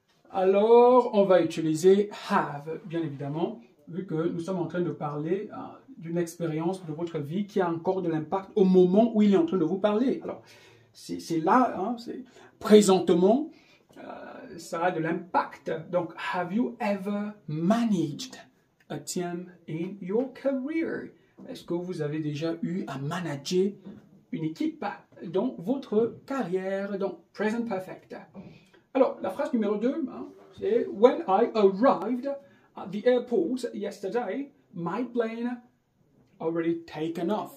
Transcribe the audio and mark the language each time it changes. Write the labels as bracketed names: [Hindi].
[French] Alors, on va utiliser « have », bien évidemment, vu que nous sommes en train de parler d'une expérience de votre vie qui a encore de l'impact au moment où il est en train de vous parler. Alors, c'est là, c'est présentement, ça a de l'impact. [English] Donc, « have you ever managed a team in your career ?» [French] Est-ce que vous avez déjà eu à manager une équipe dans votre carrière? Donc, « present perfect ». Alors, la phrase numéro 2, c'est [English] « When I arrived at the airport yesterday, my plane already taken off.